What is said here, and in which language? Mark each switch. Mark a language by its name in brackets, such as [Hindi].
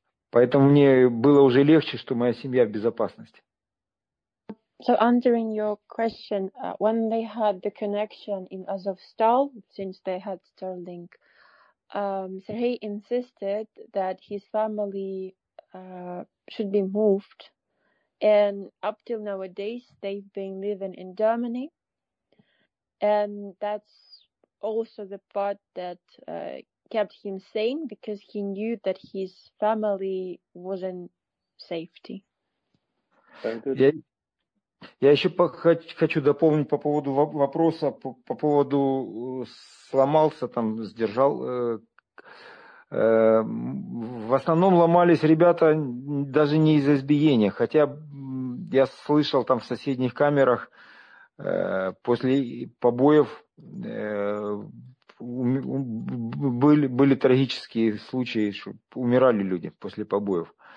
[Russian] Поэтому мне было уже легче, что моя семья в безопасности. [English] So answering your question, when they had the connection in Azovstal, since they had Starlink, Sergei insisted that his family should be moved. And up till nowadays, they've been living in Germany. And that's also the part that kept him sane, because he knew that his family was in safety. Very good. [Russian] Я еще хочу дополнить по поводу вопроса, по поводу сломался, там, сдержал. В основном ломались ребята даже не из избиения, хотя я слышал там в соседних камерах, после побоев были трагические случаи, что умирали люди после побоев.